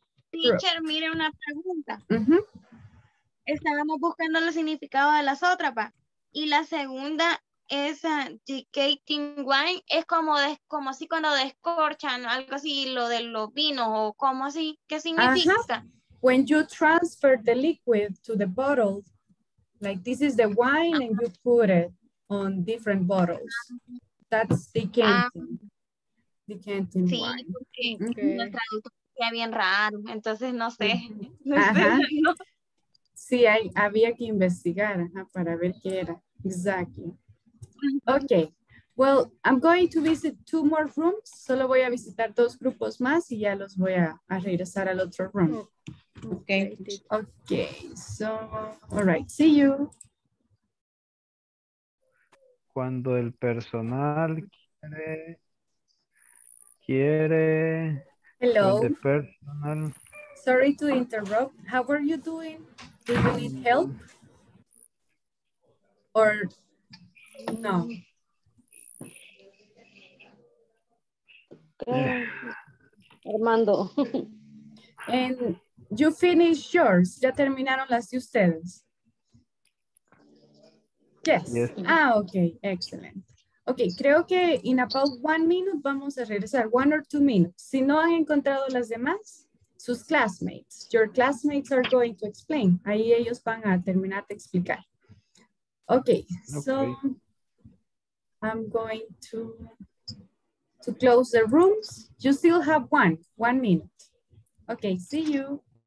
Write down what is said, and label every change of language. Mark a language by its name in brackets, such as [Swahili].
[Spanish] Teacher, mire una pregunta. Uh-huh. Estábamos buscando los significados de las otras, pa. Y la segunda es decanting wine. Es como así cuando descorchan, algo así, lo de los vinos, o como así, ¿qué significa? [English] When you transfer the liquid to the bottle, Like this is the wine and you put it on different bottles. That's decanting. Decanting [Spanish] sí, [English] wine. [Spanish] Sí, porque okay. Nuestra bien raro. Entonces no sé. Sí, hay, había que investigar para ver qué era. [English] Exactly. Okay. Well, I'm going to visit two more rooms. [Spanish] Solo voy a visitar dos grupos más y ya los voy a regresar al otro room. [English] Okay. Okay. So, all right. See you. [Spanish] Cuando el personal quiere. [English] Hello. The personal. Sorry to interrupt. How are you doing? Do you need help? Or no? Armando. And you finished yours. [Spanish] Ya terminaron las de ustedes. [English] Yes. Ah, okay. Excellent. Okay, [Spanish] creo que [English] in about 1 minute [Spanish] vamos a regresar. [English] 1 or 2 minutes. [Spanish] Si no han encontrado las demás, sus classmates. [English] Your classmates are going to explain. [Spanish] Ahí ellos van a terminar de explicar. [English] Okay, so I'm going to close the rooms. You still have one minute. Okay, see you.